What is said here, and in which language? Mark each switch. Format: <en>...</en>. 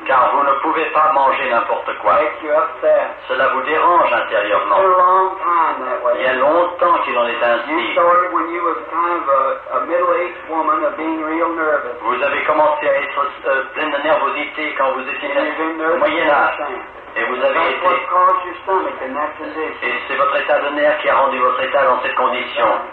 <fr>Car vous ne pouvez pas manger n'importe quoi.</fr> <en>It makes you upset.</en> <fr>Cela vous dérange intérieurement.</fr> <en>For a long time that way.</en> <fr>Il y a longtemps qu'il en est ainsi.</fr> <en>You started when you was kind of a middle-aged woman of being real nervous.</en> <fr>Vous avez commencé à être pleine de nervosité quand vous étiez moyen âge. Et vous avez été. Et c'est votre état de nerf qui a rendu votre état dans cette condition.</fr>